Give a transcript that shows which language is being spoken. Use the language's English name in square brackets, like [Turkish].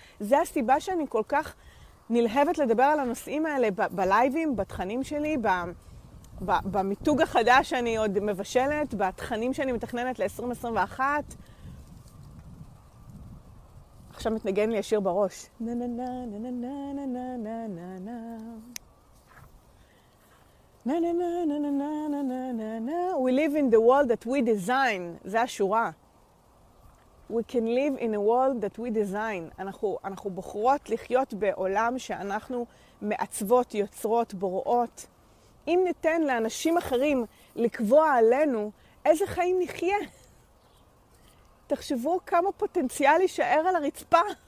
[Hebrew] זה הסיבה שאני כל כך נלהבת לדבר על הנושאים האלה בלייבים, בתכנים שלי, במיתוג החדש שאני עוד מבשלת, בתכנים שאני מתכננת ל-2021. עכשיו מתנגן לי השיר בראש. נה נה נה נה נה נה נה נה נה נה נה נה נה נה נה נה נה נה נה נה נה נה. [English] We live in the world that we design. [Hebrew] זה השורה. [English] We can live in a world that we design. [Hebrew] אנחנו בוחרות לחיות בעולם שאנחנו מעצבות, יוצרות, בוראות. אם ניתן לאנשים אחרים לקבוע עלינו איזה חיים נחיה, תחשבו כמה פוטנציאל יישאר על הרצפה.